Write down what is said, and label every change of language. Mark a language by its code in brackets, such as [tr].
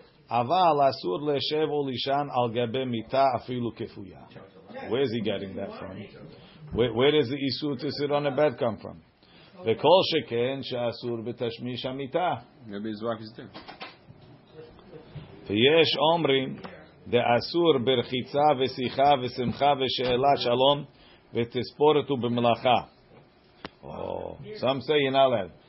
[he] אבל אסור לשב או לישן על גבי מיטה אפילו כפויה. [en] Where is he getting that from? Where does the איסור to sit on a bed come from? [he] וכל שכן שאסור בתשמיש המיטה. [en] Maybe his wife is there. [he] ויש אומרים, דאסור ברחיצה ושיחה ושמחה ושאלה שלום ותספורת ובמלאכה. [en] Some say in Aleph.